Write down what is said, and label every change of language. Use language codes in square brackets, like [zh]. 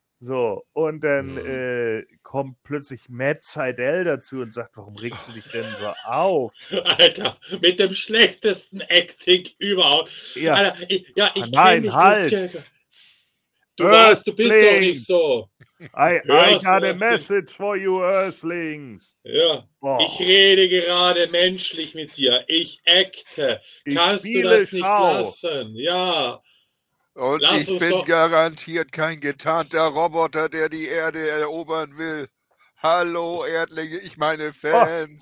[de] So, und dann kommt plötzlich Matt Sydal dazu und sagt, warum regst du dich denn so auf? Alter, mit dem schlechtesten Acting überhaupt. Ja. Alter, ich kenne mich halt. Du warst, du bist doch nicht so. [en] I got a message for you, Earthlings. [de] Ja, boah. Ich rede gerade menschlich mit dir. Ich acte. Kannst du das nicht lassen? Ja. Und ich bin garantiert kein getarnter Roboter, der die Erde erobern will. Hallo, Erdlinge, ich meine Fans.